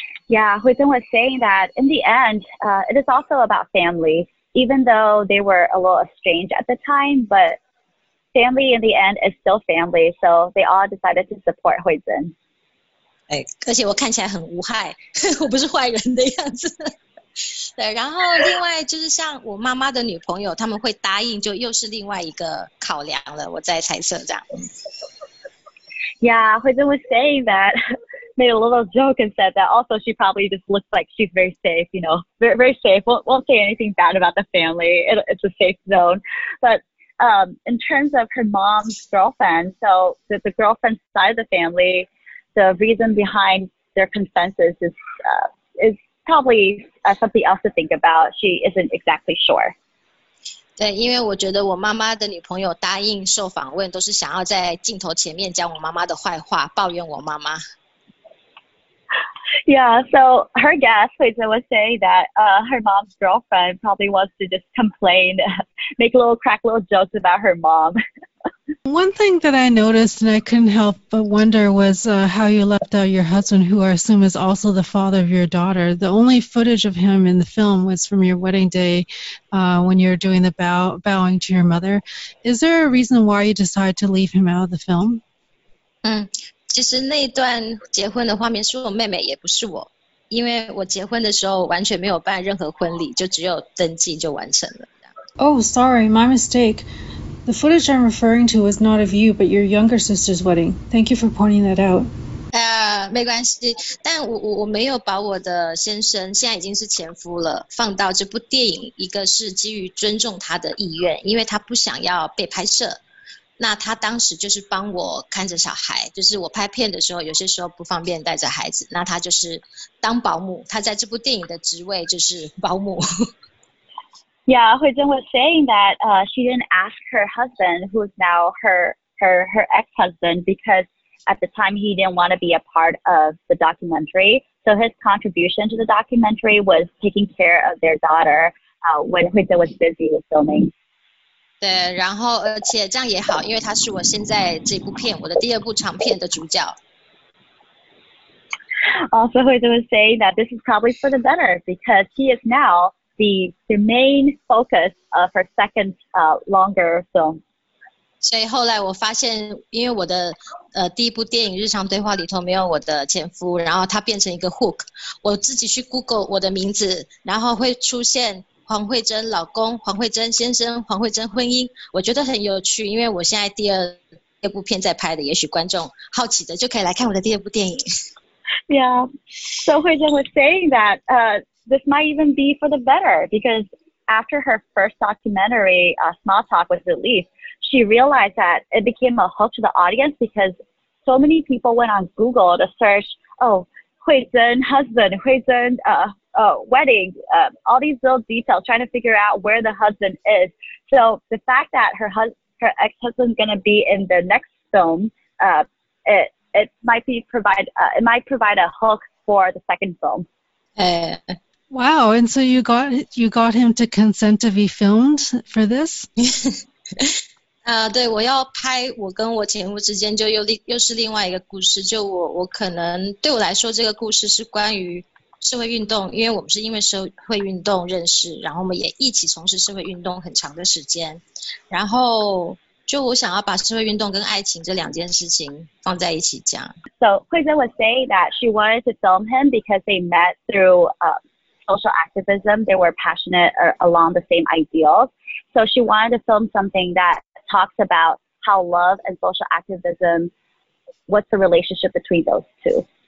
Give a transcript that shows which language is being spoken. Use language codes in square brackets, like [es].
[en] Yeah, Huizhen was saying that in the end, it is also about family. Even though they were a little estranged at the time, but family in the end is still family, so they all decided to support Huizhen. [zh] 哎，而且我看起来很无害，我不是坏人的样子。对，然后另外就是像我妈妈的女朋友，他们会答应，就又是另外一个考量了。我在猜测这样。 [en] Yeah, Huizhen was saying that. Made a little joke and said that also she probably just looks like she's very safe, you know, very, very safe. Won't say anything bad about the family. It's a safe zone. But in terms of her mom's girlfriend, so the girlfriend's side of the family, the reason behind their consensus is probably something else to think about. She isn't exactly sure. [zh] 对，因为我觉得我妈妈的女朋友答应受访问，都是想要在镜头前面讲我妈妈的坏话，抱怨我妈妈。 [en] Yeah, so her guest, Huizhen, would say that her mom's girlfriend probably wants to just complain, make a little crack, little jokes about her mom. One thing that I noticed and I couldn't help but wonder was how you left out your husband, who I assume is also the father of your daughter. The only footage of him in the film was from your wedding day when you were doing the bowing to your mother. Is there a reason why you decided to leave him out of the film? Mm. [zh] 其实那段结婚的画面是我妹妹，也不是我，因为我结婚的时候完全没有办任何婚礼，就只有登记就完成了。 [en] Oh, sorry, my mistake. The footage I'm referring to was not of you, but your younger sister's wedding. Thank you for pointing that out. [zh] 没关系，但我没有把我的先生，现在已经是前夫了，放到这部电影。一个是基于尊重他的意愿，因为他不想要被拍摄。那他当时就是帮我看着小孩，就是我拍片的时候，有些时候不方便带着孩子，那他就是当保姆，他在这部电影的职位就是保姆。 [en] Yeah, Huizhen was saying that she didn't ask her husband, who's now her ex-husband, because at the time he didn't want to be a part of the documentary. So his contribution to the documentary was taking care of their daughter when Huizhen was busy with filming. [zh] 对，然后而且这样也好，因为他是我现在这部片我的第二部长片的主角。 [en] Also, Huizhen would say that this is probably for the better because he is now the main focus of her second longer film. [zh] 所以后来我发现，因为我的第一部电影《日常对话》里头没有我的前夫，然后他变成一个 hook， 我自己去 Google 我的名字，然后会出现。黄慧珍老公，黄慧珍先生，黄慧珍婚姻，我觉得很有趣，因为我现在第二部片在拍的，也许观众好奇的就可以来看我的第二部电影。 [en] Yeah, so Huizhen was saying that this might even be for the better because after her first documentary, Small Talk was released, she realized that it became a hook to the audience because so many people went on Google to search, oh, Hui Zhen husband, Hui Zhen wedding, all these little details, trying to figure out where the husband is. So the fact that her ex-husband's going to be in the next film, it might provide a hook for the second film. Wow, and so you got him to consent to be filmed for this? [zh] 对，我要拍我跟我前夫之间就又是另外一个故事，就我可能对我来说这个故事是关于社会运动，因为我们是因为社会运动认识，然后我们也一起从事社会运动很长的时间，然后就我想要把社会运动跟爱情这两件事情放在一起讲。 [en] So, Hui Zhen was saying that she wanted to film him because they met through social activism. They were passionate along the same ideals. So she wanted to film something that talks about how love and social activism, what's the relationship between those two.